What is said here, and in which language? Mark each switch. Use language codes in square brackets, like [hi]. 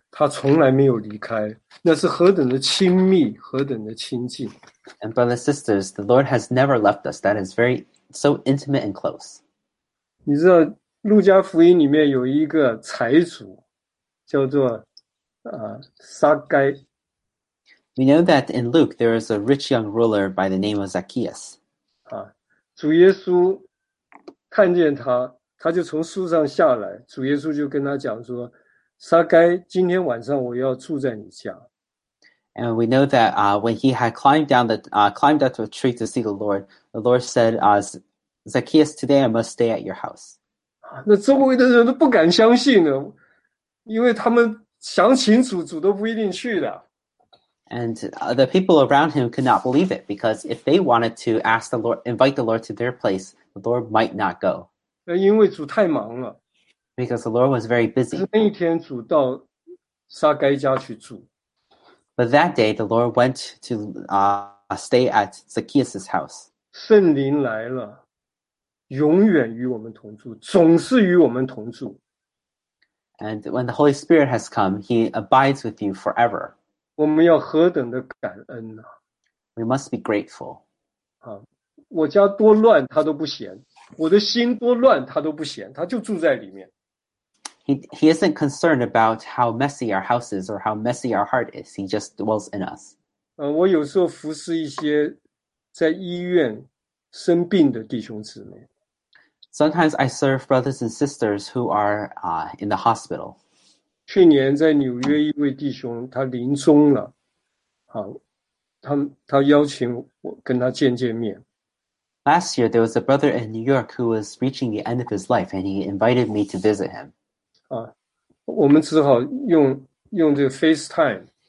[zh] 他从来没有离开，那是何等的亲密，何等的亲近。 [en] And brothers and sisters, the Lord has never left us. That is very so intimate and close. [zh] 你知道路加福音里面有一个财主，叫做撒该。 [en] We know that in Luke there is a rich young ruler by the name of Zacchaeus. [zh] 啊，主耶稣看见他，他就从树上下来，主耶稣就跟他讲说。撒该，今天晚上我要住在你家。 [en] And we know that when he had climbed up to a tree to see the Lord said, Zacchaeus, today I must stay at your house. [zh] 那周围的人都不敢相信呢，因为他们想请主，主都不一定去的。 [en] And the people around him could not believe it because if they wanted to ask the Lord, invite the Lord to their place, the Lord might not go. [zh] 因为主太忙了。 [en] Because the Lord was very busy. [zh] 那一天主到撒该家去住。 [en] But that day, the Lord went to stay at Zacchaeus' house. [zh] 圣灵来了，永远与我们同住，总是与我们同住。 [en] And when the Holy Spirit has come, he abides with you forever. [zh] 我们要何等的感恩啊。 [en] We must be grateful. [zh] 啊，我家多乱，他都不嫌。我的心多乱他都不嫌，他就住在里面。 [en] He isn't concerned about how messy our house is or how messy our heart is. He just dwells in us. [zh] 我有时候服侍一些在医院生病的弟兄姊妹。 [en] Sometimes I serve brothers and sisters who are in the hospital. [zh] 去年在纽约一位弟兄他临终了，他邀请我跟他见见面。 [en] Last year, there was a brother in New York who was reaching the end of his life, and he invited me to visit him. [zh] 我们只好用这个 FaceTime.